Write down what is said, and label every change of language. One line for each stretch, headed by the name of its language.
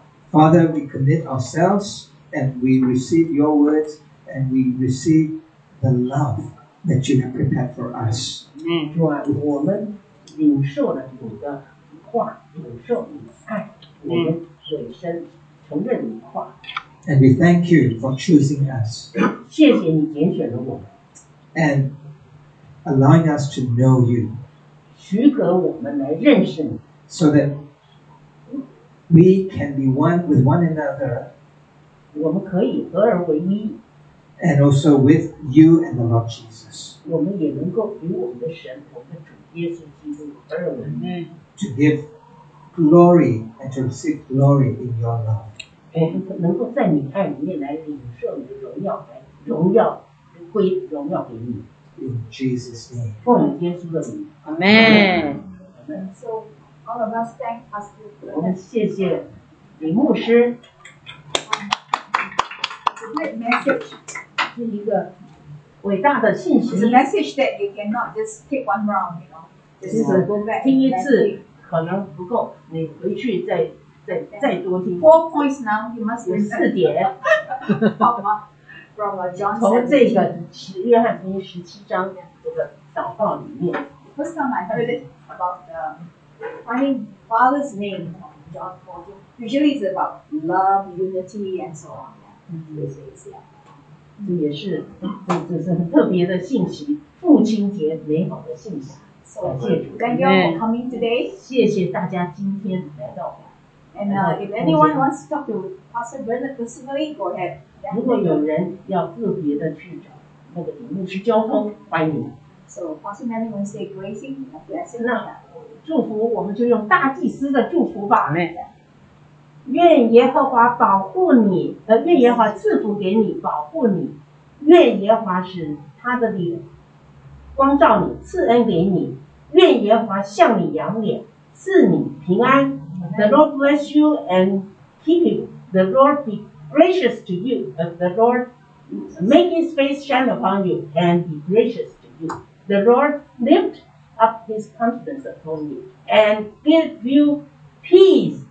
English: Father, we commit ourselves. And we receive your words, and we receive the love that you have prepared for us.
Chinese: 主啊，我们领受了你的话，领受你的爱，我们委身承认你的话。
English: And we thank you for choosing us.
Chinese: 谢谢你拣选了我们。
English: And allowing us to know you.
Chinese: 许可我们来认识你。
English: So that we can be one with one another.
Chinese: 我们可以合而为一
English: ，and also with you and the Lord Jesus.
Chinese: 我们也能够与我们的神，我们的主耶稣基督合而为一
English: ，to give glory and to receive glory in your love.
Chinese: 我们能够在你爱里面来领受你的荣耀，来荣耀归荣耀给你。
English: In Jesus' name.
Chinese: 奉耶稣的名
English: ，Amen. So all of us thank us.
Chinese: 我们谢谢李牧师。
English: Great message
Chinese: 是一个伟大的信息。
English: It's a message that you cannot just take one round, you know. Just go back.
Chinese: 听一次可能不够，你回去再多听。
English: Four points now, you must learn.
Chinese: 四点。
English: From John 17.
Chinese: 从这个约翰福音十七章这个祷告里面。
English: First time I heard it about finding Father's name from John 14. Usually it's about love, unity, and so on. Mm-hmm. Yeah.
Chinese: 这也是这是很特别的信息，父亲节美好的信息。
English: Thank you for coming today.
Chinese: 谢谢大家今天来到。
English: And if anyone wants to talk to Pastor Bernard personally, go ahead.
Chinese: 如果有人要个别的去找那个李牧师交通，欢迎。
English: So Pastor Bernard will say greeting.
Chinese: 那祝福我们就用大祭司的祝福吧。愿耶和华保护你，愿耶和华赐福给你，保护你。愿耶和华使他的脸光照你，赐恩给你。愿耶和华向你扬脸，赐你平安。
English: The Lord bless you and keep you. The Lord be gracious to you. The Lord make his face shine upon you and be gracious to you. The Lord lift up his countenance upon you and give you peace.